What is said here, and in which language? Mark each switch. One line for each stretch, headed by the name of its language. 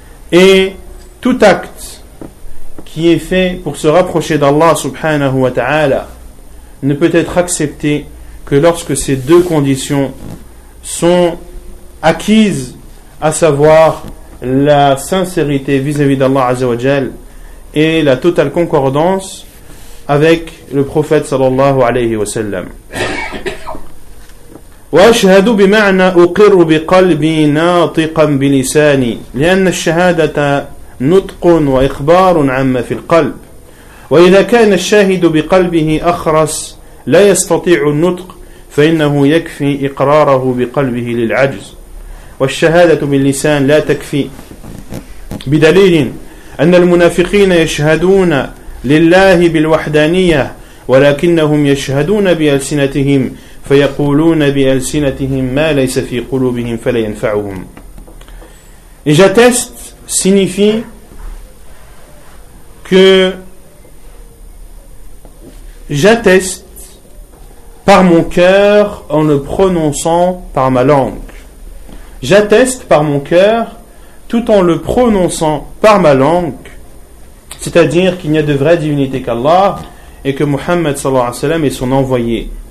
French: Et tout acte qui est fait pour se rapprocher d'Allah subhanahu wa ta'ala ne peut être accepté que lorsque ces deux conditions sont acquises, à savoir la sincérité vis-à-vis d'Allah azza wa jal et la totale concordance avec le prophète sallallahu alayhi wa sallam.
Arabic: وأشهد بمعنى أقر بقلبي ناطقا بلساني لأن الشهادة نطق وإخبار عما في القلب وإذا كان الشاهد بقلبه أخرس لا يستطيع النطق فإنه يكفي إقراره بقلبه للعجز والشهادة باللسان لا تكفي بدليل أن المنافقين يشهدون لله بالوحدانية ولكنهم يشهدون بألسنتهم فَيَقُولُونَ بِأَلْسِنَتِهِمْ مَا لَيْسَ فِي قُلُوبِهِمْ فَلَيَنْفَعُهُمْ.
French: Et j'atteste signifie que j'atteste par mon cœur en le prononçant par ma langue. J'atteste par mon cœur tout en le prononçant par ma langue, c'est-à-dire qu'il n'y a de vraie divinité qu'Allah et que Muhammad sallallahu alayhi wa sallam est son envoyé.